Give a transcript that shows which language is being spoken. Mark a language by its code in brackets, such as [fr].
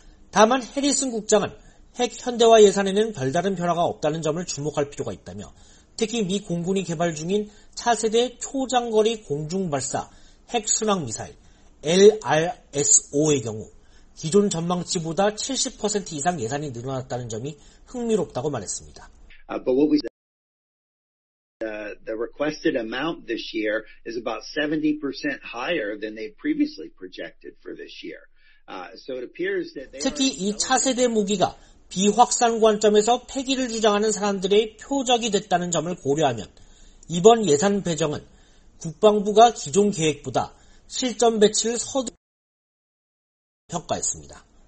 [ko] 다만 해리슨 국장은 핵 현대화 예산에는 별다른 변화가 없다는 점을 주목할 필요가 있다며 특히 미 공군이 개발 중인 차세대 초장거리 공중발사 핵순항미사일 LRSO의 경우 기존 전망치보다 70% 이상 예산이 늘어났다는 점이 흥미롭다고 말했습니다. [en] The requested amount this year is about 70% higher than they previously projected for this year. So it appears that they [ko] 특히 이 차세대 무기가 비확산 관점에서 폐기를 주장하는 사람들의 표적이 됐다는 점을 고려하면 이번 예산 배정은 국방부가 기존 계획보다 실전 배치를 서두르고 평가했습니다.